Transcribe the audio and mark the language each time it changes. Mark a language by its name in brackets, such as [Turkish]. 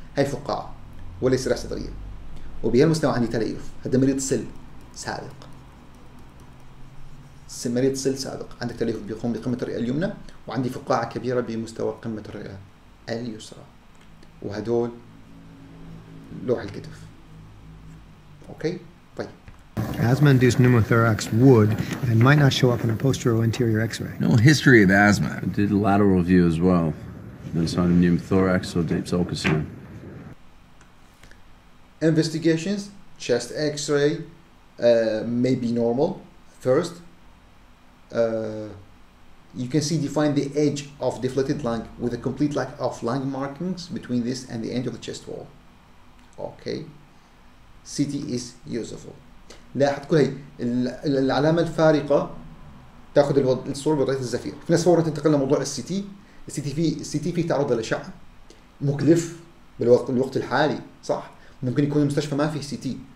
[Arabic] هاي فقاعة وليس ريح صدرية وبهالمستوى عندي تليف. هذا مريض سل سابق مريض سل سابق عندك تليف بيقوم بقمة الرئة اليمنى وعندي فقاعة كبيرة بمستوى قمة الرئة اليسرى وهدول لوح الكتف. أوكي طيب [English] asthma induced pneumothorax would and might not show up in a posterior anterior x-ray. No history of asthma. I did a lateral view as well. No sign of pneumothorax or deep sulcus. Investigations, chest x-ray may be normal first. You can see define the edge of deflated lung with a complete lack of lung markings between this and the end of the chest wall. Okay. CT is useful. [Arabic] لاحظ كل هاي العلامة الفارقة تاخذ الصورة بوضعية الزفير. في ناس فورا تنتقل لموضوع CT. CT فيه تعرض لأشعة مكلف بالوقت الحالي صح؟ ممكن يكون المستشفى ما فيه CT.